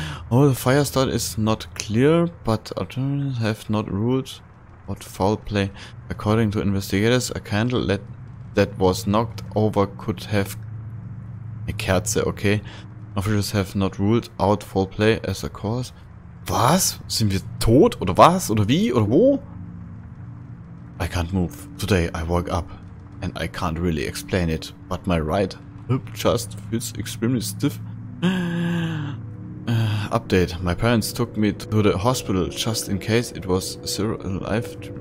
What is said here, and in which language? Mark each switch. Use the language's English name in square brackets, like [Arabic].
[English] Oh, the fire start is not clear, but authorities have not ruled out foul play. According to investigators, a candle that was knocked over could have... A Kerze, okay. Officials have not ruled out foul play as a cause. [German] Was? Sind wir tot? Oder was? Oder wie? Oder wo? [English] I can't move. Today I woke up and I can't really explain it, but my right hip just feels extremely stiff. Update. My parents took me to the hospital just in case it was serious life.